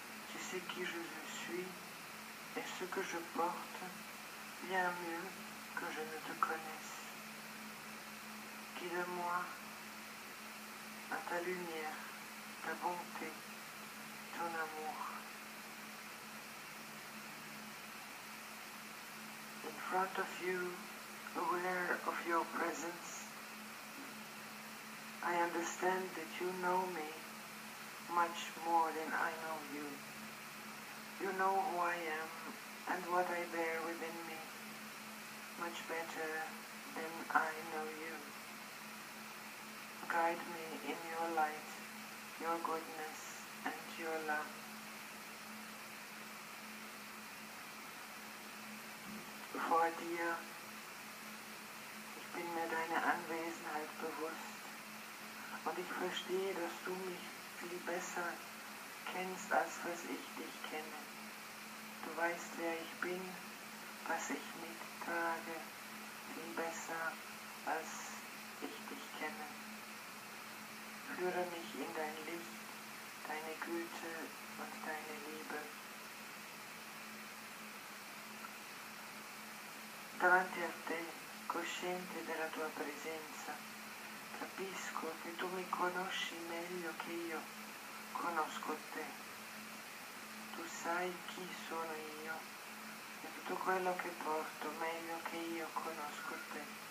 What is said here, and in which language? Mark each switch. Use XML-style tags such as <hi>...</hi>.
<fr>Tu sais qui je suis et ce que je porte bien mieux que je ne te connaisse. Guide-moi à ta lumière, ta bonté, ton amour.</fr> <en>In front of you, aware of your presence, I understand that you know me much more than I know you. You know who I am and what I bear within me much better than I know you. Guide me in your light, your goodness and your love.</en> <de>Vor dir, ich bin mir deine Anwesenheit bewusst und ich verstehe, dass du mich viel besser kennst, als was ich dich kenne. Du weißt, wer ich bin, was ich mittrage, viel besser, als ich dich kenne. Führe mich in dein Licht, deine Güte und deine Liebe.</de> <it>Davanti a te, cosciente della tua presenza, capisco che tu mi conosci meglio che io conosco te. Tu sai chi sono io e tutto quello che porto meglio che io conosco te.</it>